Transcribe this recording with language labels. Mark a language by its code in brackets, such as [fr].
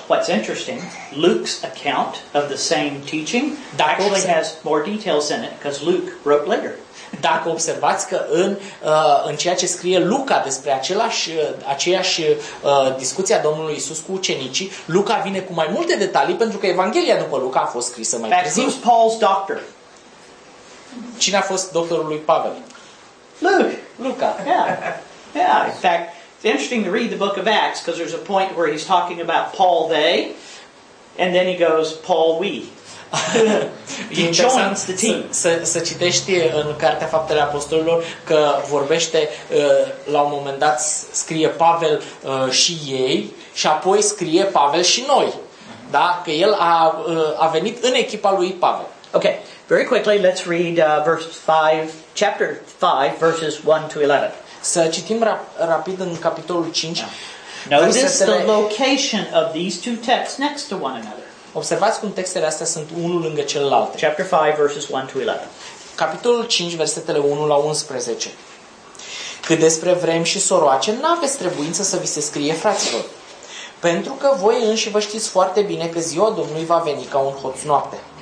[en] What's interesting, Luke's account of the same teaching actually has more details in it because Luke wrote later. [ro] Dacă observați că în ceea ce scrie Luca despre aceeași discuția Domnului Iisus cu ucenicii, Luca vine cu mai multe detalii pentru că Evanghelia după Luca a fost scrisă mai târziu. [en] Who's Paul's doctor? [ro] Cine a fost doctorul lui Pavel? [en] Luca. Yeah. In fact, it's interesting to read the book of Acts because there's a point where he's talking about Paul they and then he goes Paul we. [ro] E interesant să citești în Cartea Faptele Apostolilor că vorbește la un moment dat scrie Pavel și ei și apoi scrie Pavel și noi. Da, că el a venit în echipa lui Pavel. [en] Okay. Very quickly, let's read chapter 5, verses 1 to 11. [ro] Să citim rapid în capitolul 5. [en] Notice the location of these two texts next to one another. [ro] Observați cum textele astea sunt unul lângă celălalt. [en] Chapter 5, verses 1 to 11. [ro] Capitolul 5, versetele 1 la 11. Cât despre vrem și soroace, n-aveți trebuință să vi se scrie, fraților. Pentru că voi înși vă știți foarte bine că ziua Domnului va veni ca un hoț noapte.